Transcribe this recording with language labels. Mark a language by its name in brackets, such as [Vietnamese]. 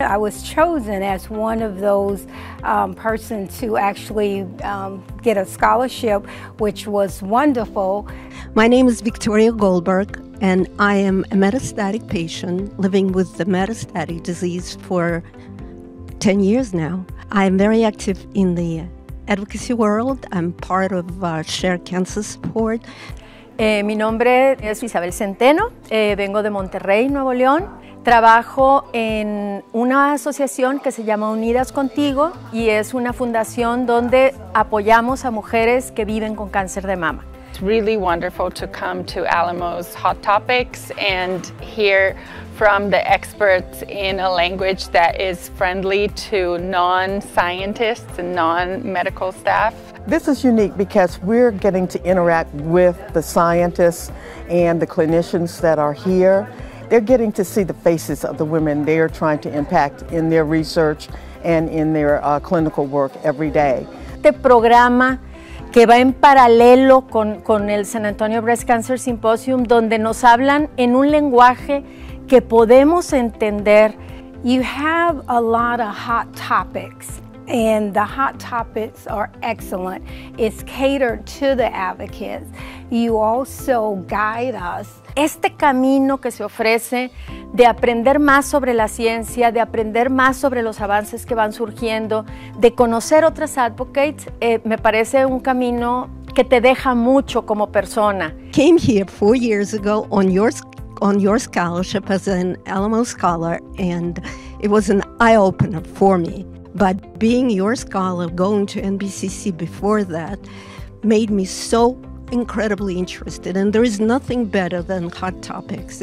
[English] I was chosen as one of those persons to actually get a scholarship, which was wonderful. My name is Victoria Goldberg, and I am a metastatic patient living with the metastatic disease for 10 years now. I am very active in the advocacy world. I'm part of Share Cancer Support. [Spanish] Mi nombre es Isabel Centeno, vengo de Monterrey, Nuevo León. Trabajo en una asociación que se llama Unidas Contigo y es una fundación donde apoyamos a mujeres que viven con cáncer de mama. [English] It's really wonderful to come to Alamo's Hot Topics and hear from the experts in a language that is friendly to non-scientists and non-medical staff. This is unique because we're getting to interact with the scientists and the clinicians that are here. They're getting to see the faces of the women they are trying to impact in their research and in their clinical work every day. The program [Spanish] que va en paralelo con el San Antonio Breast Cancer Symposium, donde nos hablan en un lenguaje que podemos entender. [English] You have a lot of hot topics, and the hot topics are excellent. It's catered to the advocates. You also guide us. [Spanish] Este camino que se ofrece de aprender más sobre la ciencia, de aprender más sobre los avances que van surgiendo, de conocer otras advocates, me parece un camino que te deja mucho como persona. [English] Came here 4 years ago on your scholarship as an Alamo scholar, and it was an eye-opener for me. But being your scholar, going to NBCC before that, made me so incredibly interested, and there is nothing better than hot topics.